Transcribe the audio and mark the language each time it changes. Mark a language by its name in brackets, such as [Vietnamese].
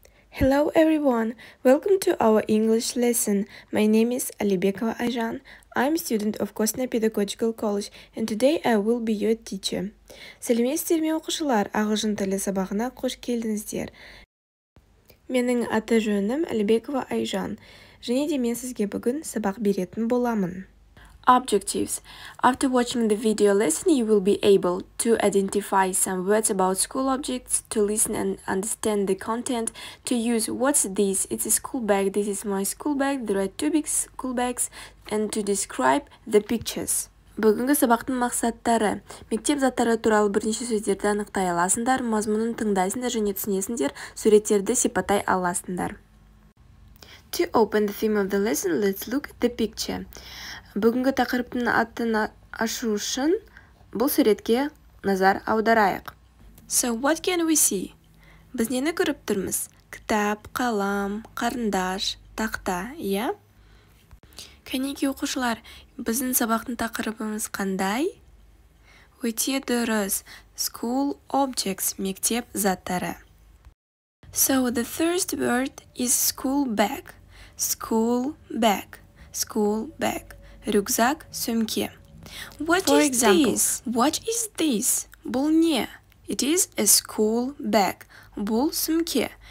[English] Hello everyone, welcome to our English lesson. My name is Әлібекова Айжан. I'm a student of Косна Педагогical College and today I will be your teacher. [Kazakh] Сәлеметсіздер ме оқушылар, ағылшын тілі сабағына қош келдіңіздер. Менің аты жөнім Әлібекова Айжан. Және де мен сізге бүгін сабақ беретін боламын. [English] Objectives. After watching the video lesson, you will be able to identify some words about school objects, to listen and understand the content, to use what's this, it's a school bag, this is my school bag, there are two big school bags, and to describe the pictures. [Kazakh] Бүгінгі сабақтың мақсаттары. Мектеп заттары туралы бірнеше сөздерді анықтай аласындар, мазмұнын тыңдайсындар және түсінесіндер, суреттерді сипаттай аласындар. [English] To open the theme of the lesson, let's look at the picture. [Kazakh] Бүгінгі тақырыптың атын ашу үшін бұл суретке назар аударайық. [English] So what can we see? [Kazakh] Біз нені көріп тұрмыз? Кітап, қалам, қарындаш, тақта, иә? Кәнеки оқушылар, біздің сабақтың тақырыбымыз қандай? Өте дұрыс. [English] School objects, [Kazakh] мектеп заттары. [English] So the first word is school bag. School bag. School bag. [Russian] Рюкзак, сумки. [English] What For is example, this? What is this? [Kazakh] Бұл не? [English] It is a school bag. [Kazakh] Бұл сумки.